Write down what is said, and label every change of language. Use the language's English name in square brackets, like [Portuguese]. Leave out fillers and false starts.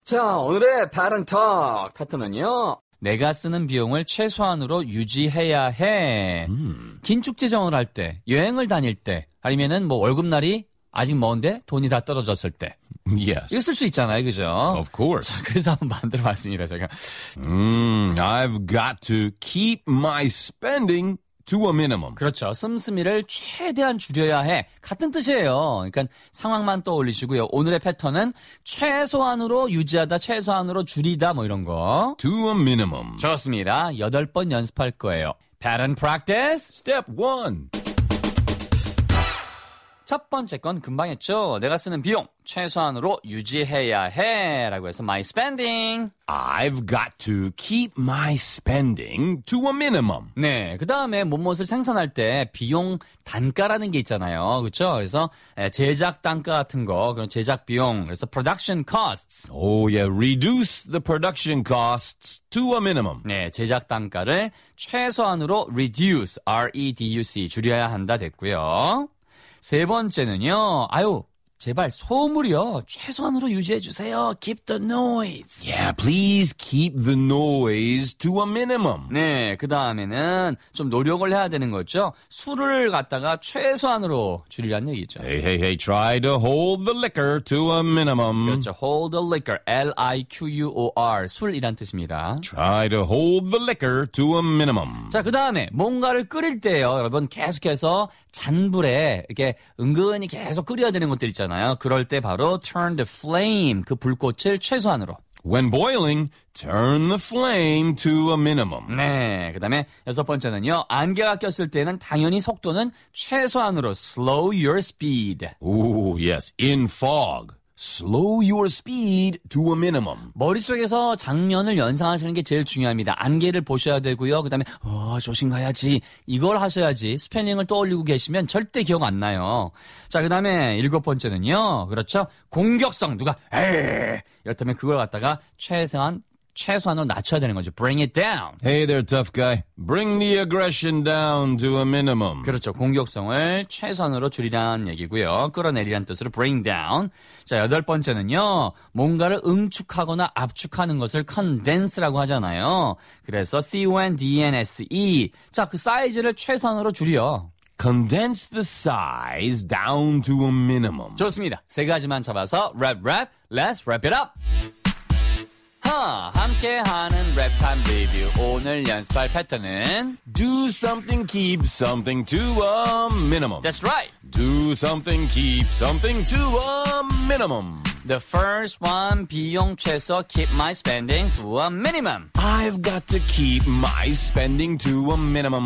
[Korean] 자, 오늘의 바른톡 패턴은요. 내가 쓰는 비용을 최소한으로 유지해야 해. 긴축 재정을 할 때, 여행을 다닐 때, 아니면은 뭐 월급날이 아직 먼데 돈이 다 떨어졌을 때. [English] Yes. [Korean] 이거 쓸 수 있잖아요, 그죠? [English] Of course. [Korean] 자, 그래서 한번 만들어 봤습니다, 제가. [English] I've got to keep my spending to a minimum. [Korean] 그렇죠. 씀씀이를 최대한 줄여야 해. 같은 뜻이에요. 그러니까 상황만 떠올리시고요. 오늘의 패턴은 최소한으로 유지하다, 최소한으로 줄이다, 뭐 이런 거. [English] To a minimum. [Korean] 좋습니다. 여덟 번 연습할 거예요. [English] Pattern practice. Step one. [Korean] 첫 번째 건 금방 했죠. 내가 쓰는 비용 최소한으로 유지해야 해라고 해서 [English] my spending. I've got to keep my spending to a minimum. [Korean] 네, 그 다음에 뭐뭐를 생산할 때 비용 단가라는 게 있잖아요. 그렇죠? 그래서 제작 단가 같은 거, 그런 제작 비용, 그래서 [English] production costs. Oh yeah, reduce the production costs to a minimum. [Korean] 네, 제작 단가를 최소한으로 reduce, R-E-D-U-C, 줄여야 한다 됐고요. 세 번째는요. 아유, 제발 소음을요 최소한으로 유지해 주세요. [English] Keep the noise. Yeah, please keep the noise to a minimum. [Korean] 네, 그 다음에는 좀 노력을 해야 되는 거죠. 술을 갖다가 최소한으로 줄이라는 얘기죠. [English] Hey, hey, hey, try to hold the liquor to a minimum. [Korean] 그렇죠, [English] hold the liquor, [Korean] L-I-Q-U-O-R, 술이란 뜻입니다. [English] Try to hold the liquor to a minimum. [Korean] 자, 그 다음에 뭔가를 끓일 때요, 여러분 계속해서 잔불에 이렇게 은근히 계속 끓여야 되는 것들이 있잖아요. 그럴 때 바로 [English] turn the flame, [Korean] 그 불꽃을 최소한으로. [English] When boiling, turn the flame to a minimum. [Korean] 네, 그 다음에 여섯 번째는요. 안개가 꼈을 때는 당연히 속도는 최소한으로 [English] slow your speed. Oh, yes, in fog. Slow your speed to a minimum. [Korean] 머릿속에서 장면을 연상하시는 게 제일 중요합니다. 안개를 보셔야 되고요. 그 다음에 조심 가야지. 이걸 하셔야지. 스펠링을 떠올리고 계시면 절대 기억 안 나요. 자, 그 다음에 일곱 번째는요. 그렇죠. 공격성. 누가 에이. 이렇다면 그걸 갖다가 최소한으로 낮춰야 되는 거죠. [English] Bring it down. Hey there, tough guy. Bring the aggression down to a minimum. [Korean] 그렇죠. 공격성을 최소한으로 줄이라는 얘기고요. 끌어내리라는 뜻으로 [English] bring down. [Korean] 자, 여덟 번째는요. 뭔가를 응축하거나 압축하는 것을 condense라고 하잖아요. 그래서 C-O-N-D-E-N-S-E. 자, 그 사이즈를 최소한으로 줄여. [English] Condense the size down to a minimum. [Korean] 좋습니다. 세 가지만 잡아서 [English] rap rap. Let's wrap it up. [Korean] 함께하는 랩한 리뷰 오늘 연습할 패턴은 [English] Do something, keep something to a minimum. That's right. Do something, keep something to a minimum. The first one, [Korean] 비용 최소, [English] keep my spending to a minimum. I've got to keep my spending to a minimum.